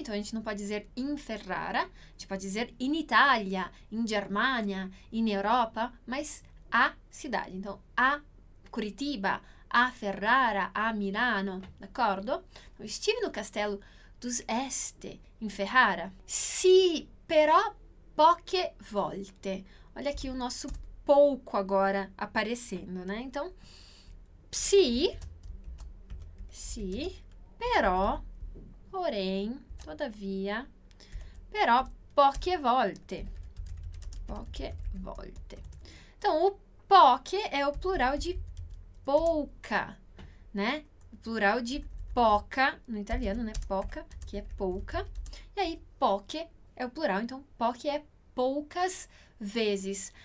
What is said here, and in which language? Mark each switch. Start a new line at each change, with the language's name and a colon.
Portuguese: Então, a gente não pode dizer
Italian: in Ferrara.
Portuguese: A gente pode dizer
Italian: in Itália, in Germania, in Europa,
Portuguese: mas a cidade, então a Curitiba, a Ferrara, a Milano,
Italian: d'accordo?
Portuguese: Estive no castello dos Este, in Ferrara.
Italian: Sì, però poche volte.
Portuguese: Olha aqui o nosso pouco agora aparecendo, né? Então,
Italian: sì, però,
Portuguese: porém,
Italian: tuttavia, però poche volte. Poche volte.
Portuguese: Então, o poche é o plural de pouca, né? O plural de poca no italiano, né? Poca, que é pouca. E aí, poche é o plural, então poche é poucas vezes.